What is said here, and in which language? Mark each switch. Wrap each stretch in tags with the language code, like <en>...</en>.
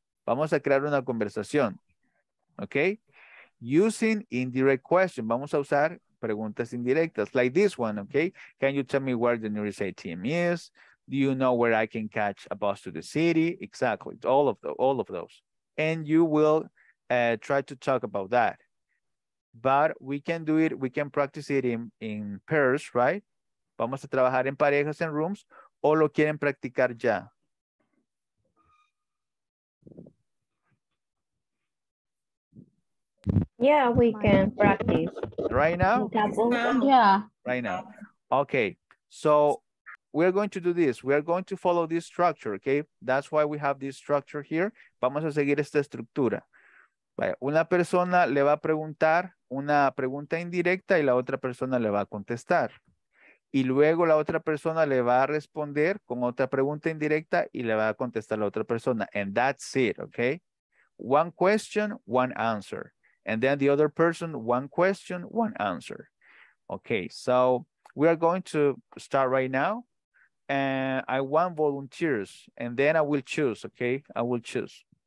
<es>Vamos a crear una conversación, okay?</es> <en>Using indirect questions,</en> <es>vamos a usar preguntas indirectas,</es> <en>like this one,</en> <es>okay?</es> <en>Can you tell me where the nearest ATM is? Do you know where I can catch a bus to the city? Exactly, all of those. And you will try to talk about that. But we can do it, we can practice it in pairs, right?</en> <es>Vamos a trabajar en parejas, en rooms, o lo quieren practicar ya?</es> <en>Yeah, we can practice. Right now? Yeah. Right now. Okay, so we're going to do this. We are going to follow this structure, okay? That's why we have this structure here.</en> <es>Vamos a seguir esta estructura. Vaya, una persona le va a preguntar una pregunta indirecta y la otra persona le va a contestar. Y luego la otra persona le va a responder con otra pregunta indirecta y le va a contestar la otra persona.</es> <en>And that's it, okay? One question, one answer. And then the other person, one question, one answer. Okay, so we are going to start right now. And I want volunteers. And then I will choose, okay? I will choose.</en>